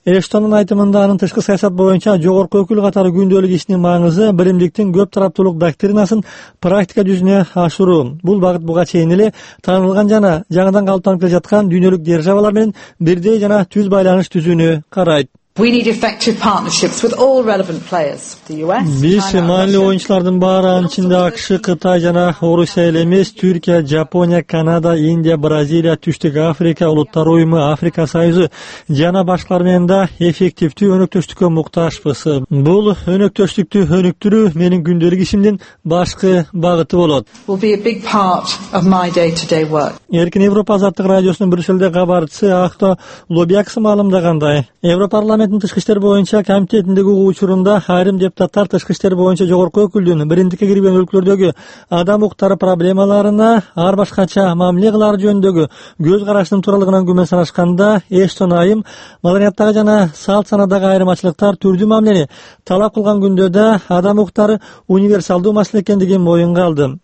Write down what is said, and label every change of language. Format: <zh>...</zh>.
<ky>Эштондун айтымында анын тышкы саясат боюнча жогорку өкүл катары күндөлүк ишинин маңызы биримдиктин көп тараптуулук доктринасын практика жүзүнө ашыруу. Бул багыт буга чейин эле таанылган жана жаңыдан калыптанып келе жаткан дүйнөлүк державалар менен бирдей жана түз байланыш түзүүнү карайт.</ky> <en>We need effective partnerships with all relevant players. The US.</en> <ky>Биз маанилүү оюнчулардын баары анын ичинде АКШ, Кытай жана Орусия эле эмес, Түркия, Жапония, Канада, Индия, Бразилия, Түштүк Африка улуттар уюму, Африка союзу жана башкалар менен да эффективдүү өнөктөштүккө муктажбыз. Бул өнөктөштүктү өнүктүрүү менин күндөлүк ишимдин башкы багыты болот.</ky> <en>Will be a big part of my day-to-day work.</en> <ky>Эркин Европа азаттык радиосунун Брюссельде кабарчысы Ахто Лобиакс маалымдагандай, Европа парламенттин тышкы иштер боюнча комитетиндеги угуу учурунда айрым депутаттар тышкы иштер боюнча жогорку өкүлдүн биримдикке кирген өлкөлөрдөгү адам укуктары проблемаларына ар башкача мамиле кылары жөнүндөгү көз карашынын тууралыгынан күмөн санашканда Эштон айым маданияттагы жана салт санадагы айырмачылыктар түрдүү мамилени талап кылган күндө да адам укуктары универсалдуу маселе экендигин моюнга алды.</ky>